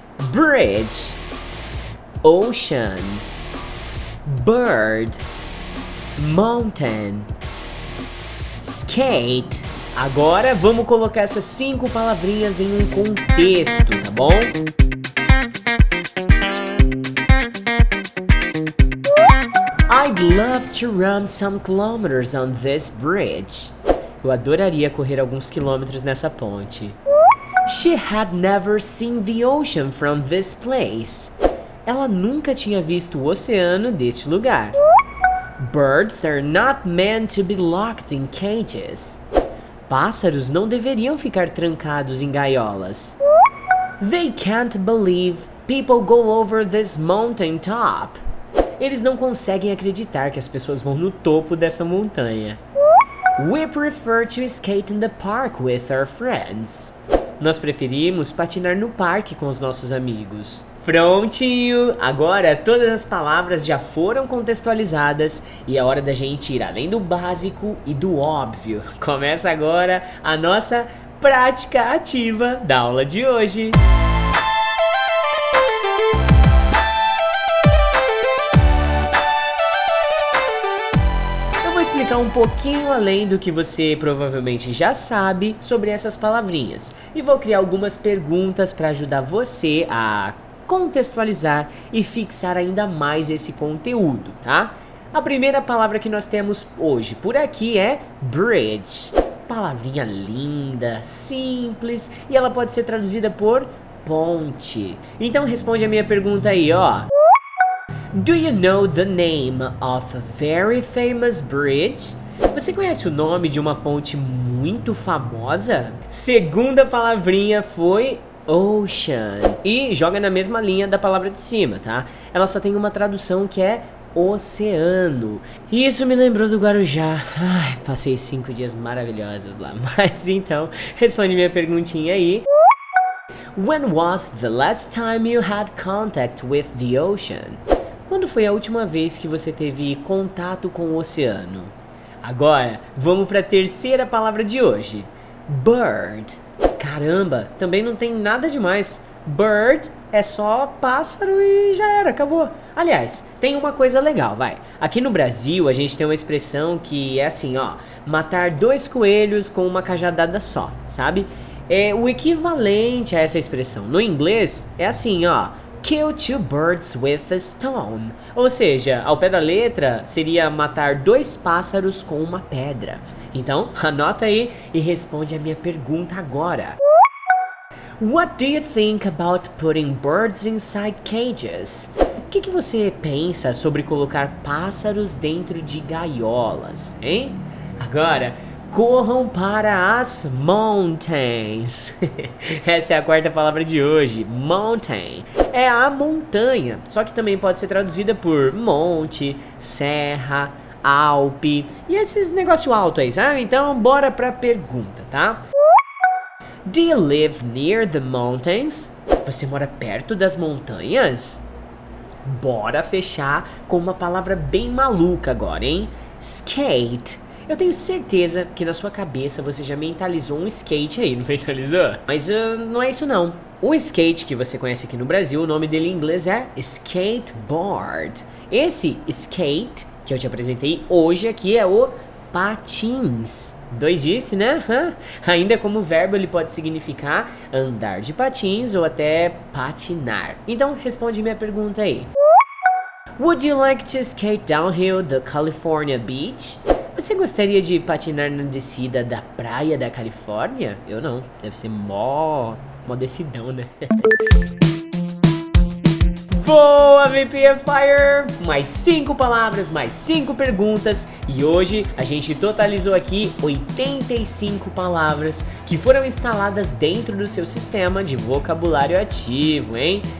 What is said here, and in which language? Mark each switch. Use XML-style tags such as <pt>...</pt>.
<en>Bridge, ocean, bird, mountain, skate.</en> <pt>Agora vamos colocar essas cinco palavrinhas em um contexto, tá bom?</pt> <en>I'd love to run some kilometers on this bridge.</en> <pt>Eu adoraria correr alguns quilômetros nessa ponte.</pt> <en>She had never seen the ocean from this place.</en> <pt>Ela nunca tinha visto o oceano deste lugar.</pt> <en>Birds are not meant to be locked in cages.</en> <pt>Pássaros não deveriam ficar trancados em gaiolas.</pt> <en>They can't believe people go over this mountain top.</en> <pt>Eles não conseguem acreditar que as pessoas vão no topo dessa montanha.</pt> <en>We prefer to skate in the park with our friends.</en> <pt>Nós preferimos patinar no parque com os nossos amigos. Prontinho! Agora todas as palavras já foram contextualizadas e é hora da gente ir além do básico e do óbvio. Começa agora a nossa prática ativa da aula de hoje. Eu vou explicar um pouquinho além do que você provavelmente já sabe sobre essas palavrinhas. E vou criar algumas perguntas para ajudar você a contextualizar e fixar ainda mais esse conteúdo, tá? A primeira palavra que nós temos hoje por aqui é bridge. Palavrinha linda, simples, e ela pode ser traduzida por ponte. Então responde a minha pergunta aí, ó.</pt> <en>Do you know the name of a very famous bridge?</en> <pt>Você conhece o nome de uma ponte muito famosa? Segunda palavrinha foi ocean. E joga na mesma linha da palavra de cima, tá? Ela só tem uma tradução que é oceano. E isso me lembrou do Guarujá. Ai, passei 5 dias maravilhosos lá. Mas então, responde minha perguntinha aí.</pt> <en>When was the last time you had contact with the ocean?</en> <pt>Quando foi a última vez que você teve contato com o oceano? Agora, vamos para a terceira palavra de hoje. Bird. Caramba, também não tem nada demais. Bird é só pássaro e já era, acabou. Aliás, tem uma coisa legal, vai. Aqui no Brasil, a gente tem uma expressão que é assim, ó. Matar dois coelhos com uma cajadada só, sabe? É o equivalente a essa expressão. No inglês, é assim, ó.</pt> <en>Kill two birds with a stone.</en> <pt>Ou seja, ao pé da letra, seria matar dois pássaros com uma pedra. Então, anota aí e responde a minha pergunta agora.</pt> <en>What do you think about putting birds inside cages?</en> <pt>O que você pensa sobre colocar pássaros dentro de gaiolas, hein? Agora, corram para as mountains. Essa é a quarta palavra de hoje. Mountain é a montanha, só que também pode ser traduzida por monte, serra, alpe e esses negócio alto aí, sabe? Então bora pra pergunta, tá?</pt> <en>Do you live near the mountains?</en> <pt>Você mora perto das montanhas? Bora fechar com uma palavra bem maluca agora, hein? Skate. Eu tenho certeza que na sua cabeça você já mentalizou um skate aí, não mentalizou? Mas não é isso não. O skate que você conhece aqui no Brasil, o nome dele em inglês é skateboard. Esse skate que eu te apresentei hoje aqui é o patins. Doidice, né? Ainda como verbo, ele pode significar andar de patins ou até patinar. Então, responde minha pergunta aí.</pt> <en>Would you like to skate downhill the California beach?</en> <pt>Você gostaria de patinar na descida da praia da Califórnia? Eu não. Deve ser mó descidão, né? Boa, VP Fire! Mais 5 palavras, mais 5 perguntas e hoje a gente totalizou aqui 85 palavras que foram instaladas dentro do seu sistema de vocabulário ativo, hein?</pt>